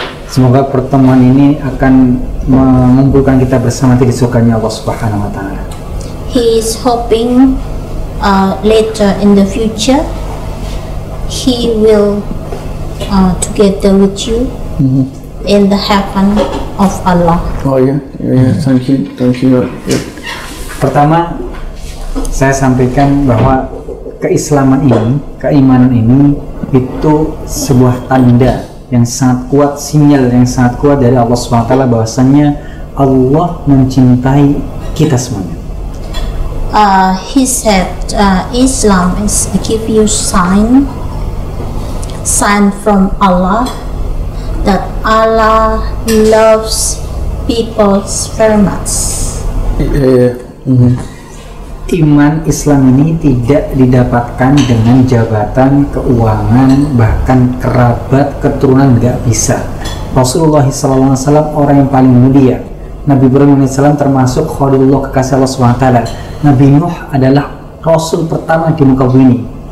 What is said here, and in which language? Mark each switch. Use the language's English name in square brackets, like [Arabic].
[Indonesian] Semoga pertemuan ini akan mengumpulkan kita bersama di surga-Nya Allah Subhanahu wa taala. [English] He is hoping later in the future he will together with you in the heaven of Allah. Oh yeah. Thank you. [Indonesian] Pertama saya sampaikan bahwa keislaman ini, keimanan ini itu sebuah tanda yang sangat kuat, sinyal yang sangat kuat dari Allah SWT bahwasannya Allah mencintai kita semuanya. [English] He said Islam is a give you sign, sign from Allah that Allah loves people very much. [Indonesian] Iman Islam ini tidak didapatkan dengan jabatan, keuangan, bahkan kerabat, keturunan, nggak bisa. Rasulullah SAW orang yang paling mulia. Nabi Ibrahim SAW termasuk Khalilullah, kekasih Allah SWT. Nabi Nuh adalah Rasul pertama di muka bumi.